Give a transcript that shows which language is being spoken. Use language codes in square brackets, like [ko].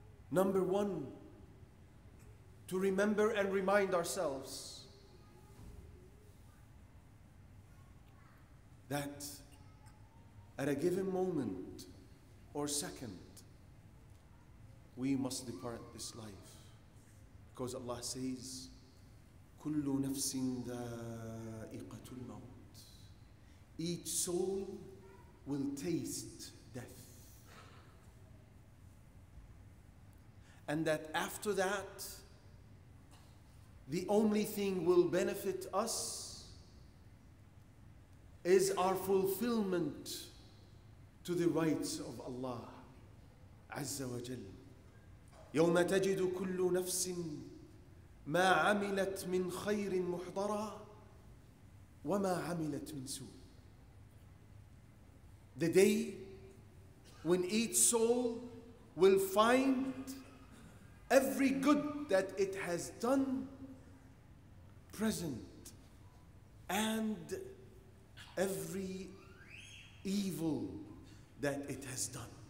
[en] Number one, to remember and remind ourselves that at a given moment or second, we must depart this life. Because Allah says, [ar] كُلُّ نَفْسٍ ذَائِقَةُ الْمَوْتِ. [en] Each soul will taste death. And that after that, the only thing will benefit us is our fulfillment to the rights of Allah Azza wa Jal. [ar] يوم تجد كل نفس ما عملت من خير محضرا وما عملت من سوء. [en] The day when each soul will find every good that it has done present and every evil that it has done.